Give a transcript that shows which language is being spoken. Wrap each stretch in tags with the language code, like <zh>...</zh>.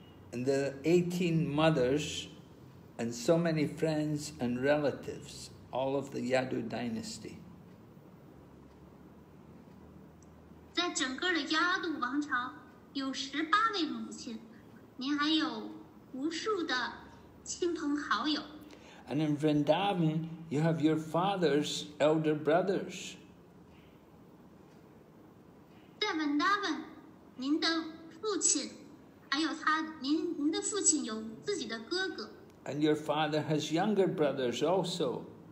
<en>And the 18 mothers and so many friends and relatives, all of the Yadu dynasty.</en> <zh>在整个的亚杜王朝有18位母亲，您还有无数的亲朋好友。</zh> <en>And in Vrindavan, you have your father's elder brothers.</en> <zh>在 Vrindavan, 您的父亲还有他，您的父亲有自己的哥哥。</zh> <en>And your father has younger brothers also.</en>